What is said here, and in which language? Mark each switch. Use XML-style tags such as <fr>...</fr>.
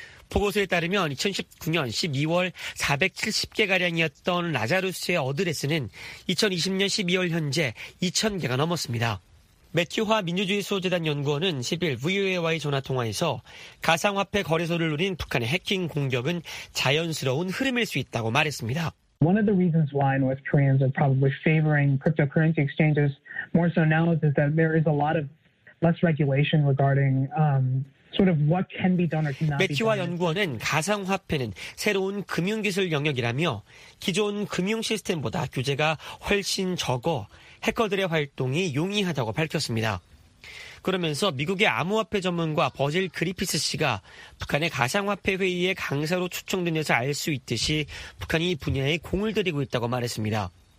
<ko>보고서에 따르면 2019년 12월 470개가량이었던 라자루스의 어드레스는 2020년 12월 현재 2000개가 넘었습니다. 매튜화 민주주의 수호재단 연구원은 10일 VOA와의 전화통화에서 가상화폐 거래소를 노린 북한의 해킹 공격은 자연스러운 흐름일 수 있다고 말했습니다.</ko> <en>One of the reasons why North Koreans are probably favoring cryptocurrency exchanges more so now is that there is a lot of less regulation regarding sort of what can be done or cannot be done.</en> <ko>매튜화 연구원은 가상화폐는 새로운 금융기술 영역이라며 기존 금융 시스템보다 규제가 훨씬 적어 해커들의 활동이 용이하다고 밝혔습니다. 그러면서 미국의 암호화폐 전문가 버질 그리피스 씨가 북한의 가상화폐 회의의 강사로 초청된 데서 알 수 있듯이 북한이 분야에 공을 들이고 있다고 말했습니다.</ko>